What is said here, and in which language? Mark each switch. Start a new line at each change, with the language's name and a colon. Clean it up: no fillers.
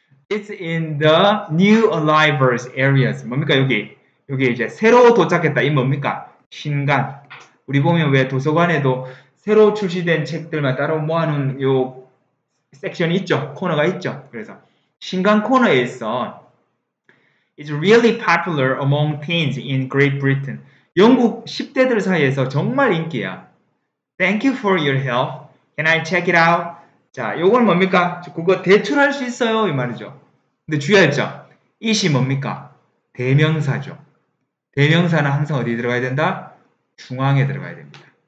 English: It's in the new arrivals areas.
Korean: 뭡니까, 여기? 여기 이제 새로 도착했다. 이 뭡니까? 신간. 우리 보면 왜 도서관에도 새로 출시된 책들만 따로 모아놓은 요 섹션이 있죠? 코너가 있죠? 그래서 신간 코너에 있어.
English: It's really popular among teens in Great Britain.
Korean: 영국 10대들 사이에서 정말 인기야.
English: Thank you for your help. Can I check it out? 자,
Korean: 요건 뭡니까? 그거 대출할 수 있어요. 이 말이죠. 근데 주의하죠? It이 뭡니까? 대명사죠. 대명사는 항상 어디에 들어가야 된다? 중앙에 들어가야 됩니다.